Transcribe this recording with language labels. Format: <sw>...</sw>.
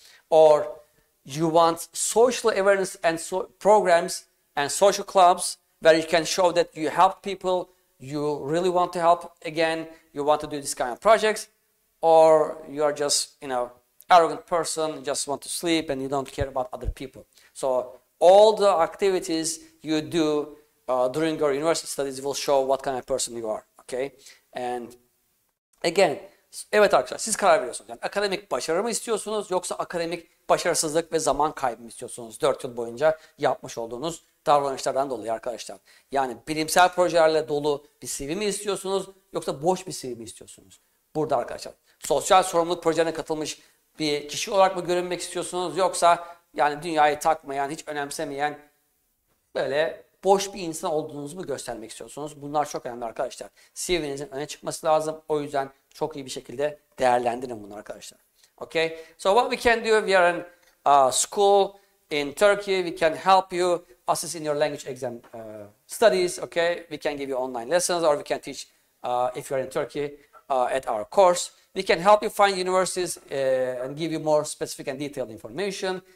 <en>Or you want social awareness and so programs and social clubs where you can show that you help people, you really want to help again, you want to do this kind of projects, or you are just, arrogant person, just want to sleep and you don't care about other people. So all the activities you do during your university studies will show what kind of person you are. Okay? And again,</en> <tr>evet arkadaşlar, siz karar veriyorsunuz. Yani akademik başarı mı istiyorsunuz yoksa akademik başarısızlık ve zaman kaybı mı istiyorsunuz 4 yıl boyunca yapmış olduğunuz davranışlardan dolayı arkadaşlar? Yani bilimsel projelerle dolu bir CV mi istiyorsunuz yoksa boş bir CV mi istiyorsunuz? Burada arkadaşlar, sosyal sorumluluk projelerine katılmış bir kişi olarak mı görünmek istiyorsunuz yoksa yani dünyayı takmayan, hiç önemsemeyen böyle boş bir insan olduğunuzu mu göstermek istiyorsunuz? Bunlar çok önemli arkadaşlar. CV'nizin öne çıkması lazım. O yüzden çok iyi bir şekilde değerlendirin bunu arkadaşlar.</tr> <en>Okay? So what we can do, we are in school in Turkey. We can help you assist in your language exam studies. Okay? We can give you online lessons or we can teach if you are in Turkey at our course. We can help you find universities and give you more specific and detailed information.</en>